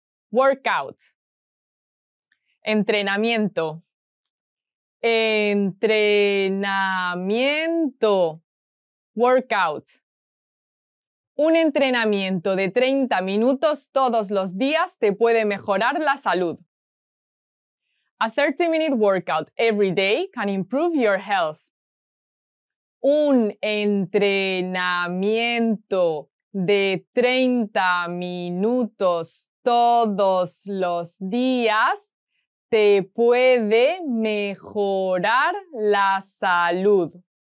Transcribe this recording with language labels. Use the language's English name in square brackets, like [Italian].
[English] Workout. Entrenamiento. [Spanish] Entrenamiento. Workout. Un entrenamiento de 30 minutos todos los días te puede mejorar la salud. [English] A 30-minute workout every day can improve your health. [Spanish] Un entrenamiento de 30 minutos todos los días te puede mejorar la salud.